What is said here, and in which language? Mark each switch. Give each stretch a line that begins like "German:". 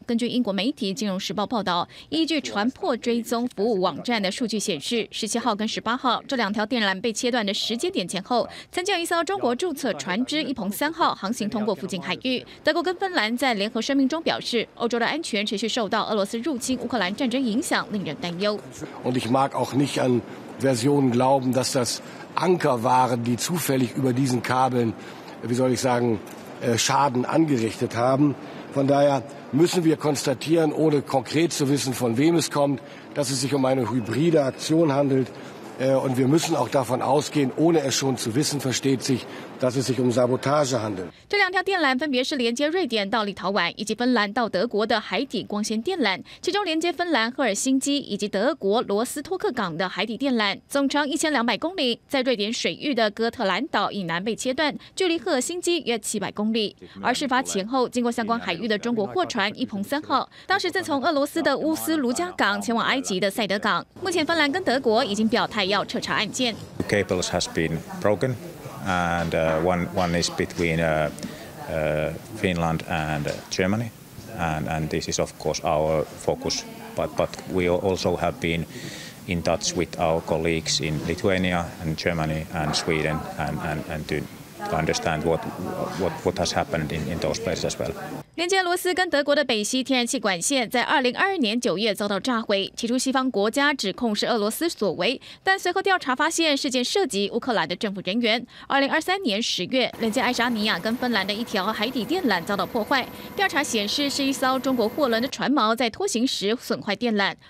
Chinese: 根据英国媒体《金融时报》报道，依据船舶追踪服务网站的数据显示，17号跟18号这两条电缆被切断的时间点前后，曾经有一艘中国注册船只“一鹏三号”航行通过附近海域。德国跟芬兰在联合声明中表示，欧洲的安全持续受到俄罗斯入侵乌克兰战争影响，令人担忧。
German: Und ich mag auch nicht an Versionen glauben, dass das Anker waren, die zufällig über diesen Kabeln. Wie soll ich sagen, Schaden angerichtet haben. Von daher müssen wir konstatieren, ohne konkret zu wissen, von wem es kommt, dass es sich um eine hybride Aktion handelt. Und wir müssen auch davon ausgehen, ohne es schon zu wissen, versteht sich,dass es sich um Sabotage handelt.
Chinese: 这两条电缆分别是连接瑞典到立陶宛以及芬兰到德国的海底光纤电缆，其中连接芬兰赫尔辛基以及德国罗斯托克港的海底电缆，总长1200公里，在瑞典水域的哥特兰岛以南被切断，距离赫尔辛基约700公里。而事发前后，经过相关海域的中国货船“一鹏三号”，当时正从俄罗斯的乌斯卢加港前往埃及的塞德港。目前，芬兰跟德国已经表态要彻查案件。
English: The cable has been broken. And one is between Finland and Germany, and this is of course our focus. But we also have been in touch with our colleagues in Lithuania and Germany and Sweden, and to understand what has happened in those places as well.
Chinese: 连接罗斯跟德国的北溪天然气管线在2022年9月遭到炸毁，起初西方国家指控是俄罗斯所为，但随后调查发现事件涉及乌克兰的政府人员。 2023年10月，连接爱沙尼亚跟芬兰的一条海底电缆遭到破坏，调查显示是一艘中国货轮的船锚在拖行时损坏电缆。